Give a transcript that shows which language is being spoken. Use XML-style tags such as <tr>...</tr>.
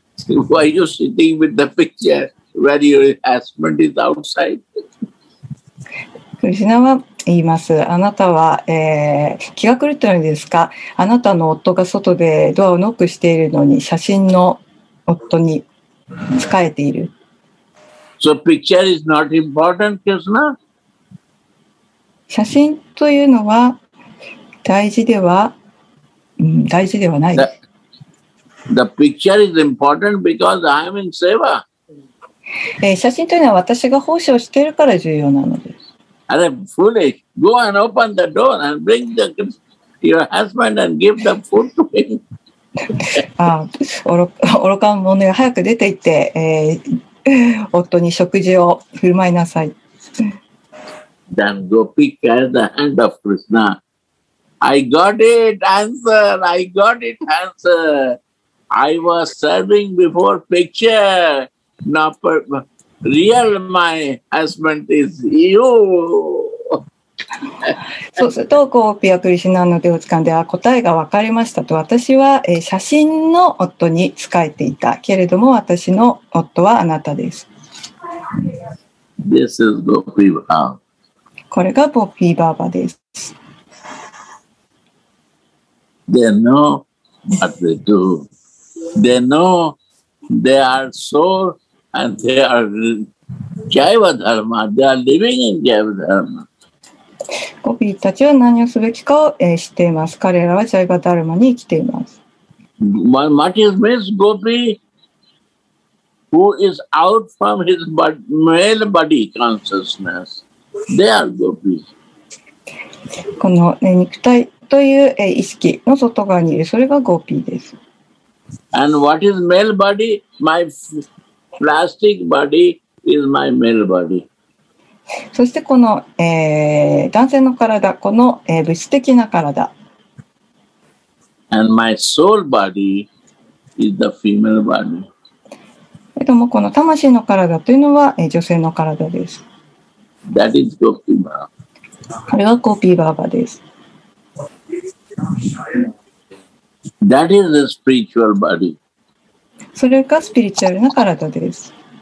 <en>Why are you sitting with the picture where your husband is outside?</en> <ja>クリシナは言います。あなたは、気が狂ったのですか?あなたの夫が外でドアをノックしているのに写真の夫に仕えている。</ja> <en>So picture is not important, Krishna?</en> <ja>写真というのは大事では、大事ではない。</ja> <en>The picture is important because I'm in seva.</en> <ja>写真というのは私が奉仕をしているから重要なのです。</ja> <en>And I'm foolish. Go and open the door and bring the, your husband and give the food to him.</en> <ja>Ah, 愚か者よ早く出て行って、夫に食事を振る舞いなさい。</ja> <en>Then Gopi carried the hand of Krishna. I got it, answer. I got it, answer. I was serving before picture, not per. Real my husband is you.</en> <ja>そうすると、こう、ピア・クリシュナの手をつかんで、答えが分かりましたと、私は、写真の夫に仕えていたけれども、私の夫はあなたです。</ja> <en>This is Gopi Baba.</en> <ja>これがボピーバーバです。</ja> <en>They know what they do. They know they are so. And they are Jaiva Dharma. They are living in Jaiva Dharma.</en> <ja>Gopi たちは何をすべきかを知っています。彼らは Jaiva Dharma に生きています。</ja> <en>What is Miss Gopi who is out from his male body consciousness? They are Gopi.</en> <ja>この肉体という意識の外側にいる、それが Gopi です。</ja> <en>And what is male body? My... Plastic body is my male body.</en> <ja>そしてこの、男性の体、この、物質的な体。</ja> <en>And my soul body is the female body.</en> <ja>この魂の体というのは、女性の体です。</ja> <en>That is Gopi Baba.</en> <ja>これはゴピーバーバです。</ja> <en>That is the spiritual body.</en> <ja>それがスピリチュアルな体です。</ja>